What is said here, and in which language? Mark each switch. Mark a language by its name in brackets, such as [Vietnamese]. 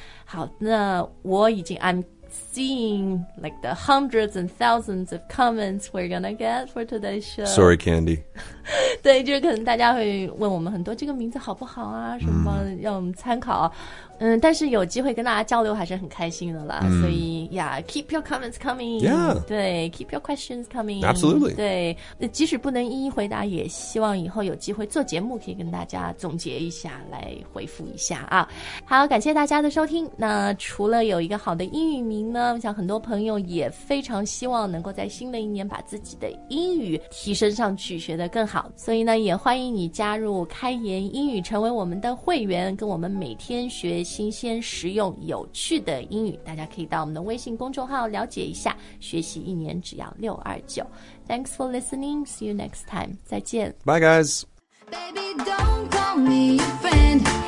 [Chinese] 好，那我已经 [English] I'm seeing like the hundreds and thousands of comments we're gonna get for today's show. Sorry, Candy. [Chinese] 对，就是可能大家会问我们很多这个名字好不好啊，什么让我们参考。但是有机会跟大家交流还是很开心的啦。所以 [English] ，Yeah, keep your comments coming. Yeah. 对 ，keep your questions coming. Absolutely. [Chinese] 对，即使不能一一回答，也希望以后有机会做节目可以跟大家总结一下，来回复一下啊。好，感谢大家的收听。那除了有一个好的英语名呢，我想很多朋友也非常希望能够在新的一年把自己的英语提升上去，学得更好。所以呢，也欢迎你加入开言英语，成为我们的会员，跟我们每天学新鲜实用有趣的英语，大家可以到我们的微信公众号了解一下，学习一年只要629。 [English] Thanks for listening. See you next time. [Chinese] 再见。 [English] Bye guys. Baby, don't call me a friend.